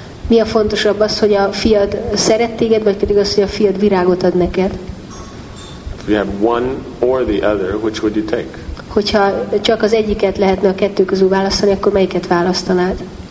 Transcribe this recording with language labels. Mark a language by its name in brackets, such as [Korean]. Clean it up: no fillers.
[Hungarian] Mi a fontosabb, az, hogy a fiad szeret téged, vagy pedig az, hogy a fiad virágot ad neked? [English] If you have one or the other, which would you take? [Hungarian] Hogyha csak az egyiket lehetne a kettő közül választani, akkor melyiket választanád?